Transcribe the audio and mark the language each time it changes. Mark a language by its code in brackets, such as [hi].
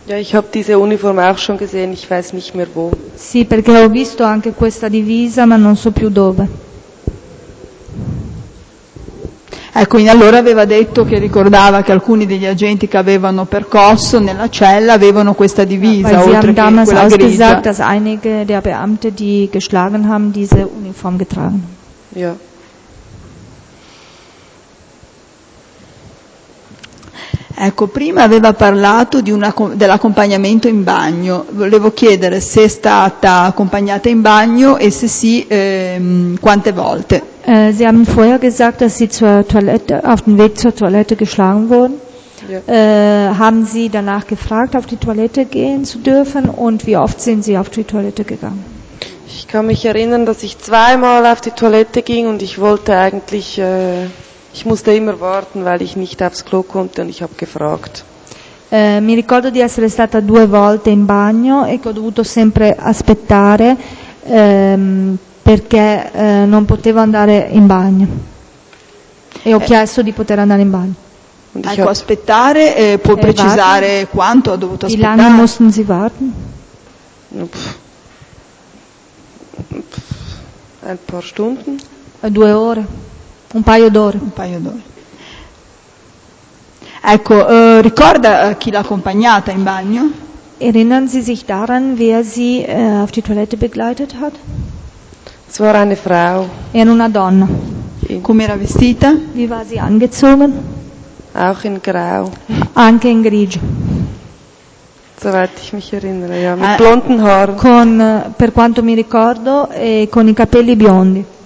[de] Ja, ich habe diese Uniform auch schon gesehen, ich weiß nicht mehr wo. [it] Sì, perché ho visto anche questa divisa, ma non so più dove. Ecco, in allora aveva detto che ricordava che alcuni degli agenti che avevano percosso nella cella avevano questa divisa, oltre che quella grigia. [de] Weil sie haben damals auch gesagt, dass einige der Beamte, die geschlagen haben, diese Uniform getragen haben. Ja. [it] Ecco, prima aveva parlato di dell'accompagnamento in bagno. Volevo chiedere se è stata accompagnata in bagno e se sì, quante volte. [de] Sie haben vorher gesagt, dass sie zur Toilette, auf dem Weg zur Toilette geschlagen wurden. Ja. Haben Sie danach gefragt, auf die Toilette gehen zu dürfen und wie oft sind Sie auf die Toilette gegangen? Ich kann mich erinnern, dass ich zweimal auf die Toilette ging und ich wollte eigentlich ich musste immer warten, weil ich nicht aufs Klo konnte und ich habe gefragt. [it] Mi ricordo di essere stata due volte in bagno e che ho dovuto sempre aspettare perché non potevo andare in bagno. E ho chiesto di poter andare in bagno. Ecco, aspettare, può precisare quanto ha dovuto aspettare? [de] Wie lange mussten Sie warten? Ein paar Stunden? [it] Due ore. Un paio d'ore. Un paio d'ore. Ecco, ricorda chi l'ha accompagnata in bagno? [de] Erinnern Sie sich daran, wer sie auf die Toilette begleitet hat? Es war eine Frau. [it] Era una donna. Come era vestita? [de] Wie war sie angezogen? Auch in grau. [it] Anche in grigio. [de] Soweit ich mich erinnere, ja, mit blonden Haaren. [it] Con, per quanto mi ricordo, con i capelli biondi.